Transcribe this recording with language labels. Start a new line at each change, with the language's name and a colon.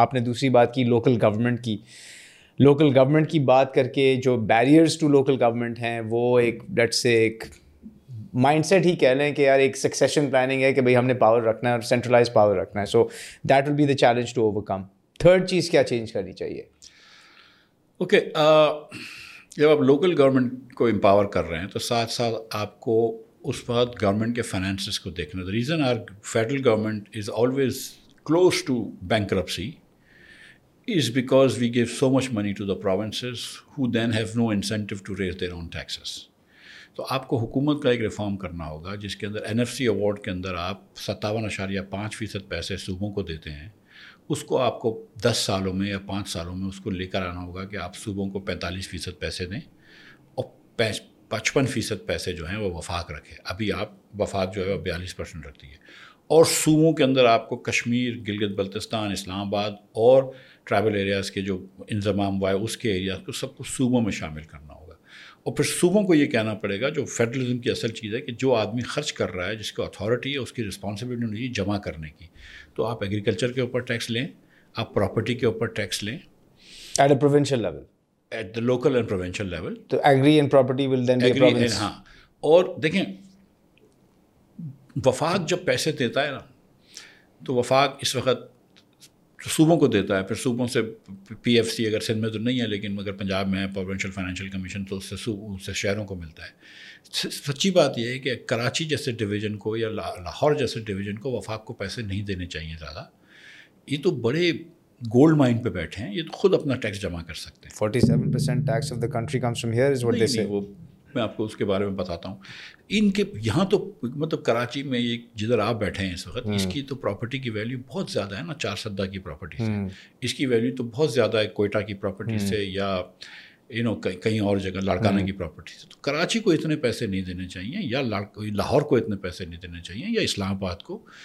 Urdu: آپ نے دوسری بات کی لوکل گورنمنٹ کی, لوکل گورنمنٹ کی بات کر کے جو
English: barriers to local government
Urdu: ہیں, وہ ایک ڈیٹ سے ایک مائنڈ سیٹ ہی کہہ لیں کہ یار ایک سکسیشن پلاننگ ہے کہ بھائی ہم نے پاور رکھنا ہے اور سینٹرلائز پاور رکھنا ہے,
English: So that will be the challenge to overcome.
Urdu: Third چیز کیا چینج کرنی چاہیے؟ اوکے, جب آپ لوکل گورنمنٹ کو امپاور کر رہے ہیں تو ساتھ ساتھ آپ کو اس وقت گورنمنٹ کے فائنینسز کو دیکھنا.
English: The reason our federal government is always close to bankruptcy is because we give so much money to the provinces who then have no incentive to raise their own taxes.
Urdu: تو آپ کو حکومت کا ایک reform کرنا ہوگا, جس کے اندر این ایف سی اوارڈ کے اندر آپ 57.5% پیسے صوبوں کو دیتے ہیں, اس کو آپ کو 10 سالوں میں یا 5 سالوں میں اس کو لے کر آنا ہوگا کہ آپ صوبوں کو 45% پیسے دیں اور 55% پیسے جو ہیں وہ وفاق رکھے. ابھی آپ وفاق جو ہے وہ 42% رکھتی ہے, اور صوبوں کے اندر آپ کو کشمیر, گلگت بلتستان, اسلام آباد اور ٹرائبل ایریاز کے جو انضمام ہوا ہے اس کے ایریاز کو سب کو صوبوں میں شامل کرنا ہوگا. اور پھر صوبوں کو یہ کہنا پڑے گا, جو فیڈرلزم کی اصل چیز ہے کہ جو آدمی خرچ کر رہا ہے, جس کو اتھارٹی ہے, اس کی رسپانسبلٹی ہونی چاہیے جمع کرنے کی. تو آپ ایگریکلچر کے اوپر ٹیکس لیں, آپ پراپرٹی کے اوپر ٹیکس لیں,
English: At a provincial level, at the local and provincial level. تو agri and property will then be a province.
Urdu: ہاں, اور دیکھیں وفاق جب پیسے دیتا ہے نا, تو وفاق اس وقت صوبوں کو دیتا ہے, پھر صوبوں سے پی ایف سی اگر سندھ میں تو نہیں ہے لیکن اگر پنجاب میں ہے پروونشل فائنینشیل کمیشن, تو اس سے شہروں کو ملتا ہے. سچی بات یہ ہے کہ کراچی جیسے ڈویژن کو یا لاہور جیسے ڈویژن کو وفاق کو پیسے نہیں دینے چاہیے زیادہ. یہ تو بڑے گولڈ مائن پہ بیٹھے ہیں, یہ تو خود اپنا ٹیکس جمع کر سکتے ہیں.
English: 47% tax of the country comes from here is what they say.
Urdu: وہ میں آپ کو اس کے بارے میں بتاتا ہوں. ان کے یہاں تو مطلب کراچی میں یہ جدھر آپ بیٹھے ہیں اس وقت, اس کی تو پراپرٹی کی ویلیو بہت زیادہ ہے نا, چار سدہ کی پراپرٹی سے اس کی ویلیو تو بہت زیادہ ہے کوئٹہ کی پراپرٹی سے یا
English: you know
Urdu: کہیں اور جگہ لاڑکانہ کی پراپرٹی سے. تو کراچی کو اتنے پیسے نہیں دینے چاہیے یا لاہور کو اتنے پیسے نہیں دینے چاہیے یا اسلام آباد کو.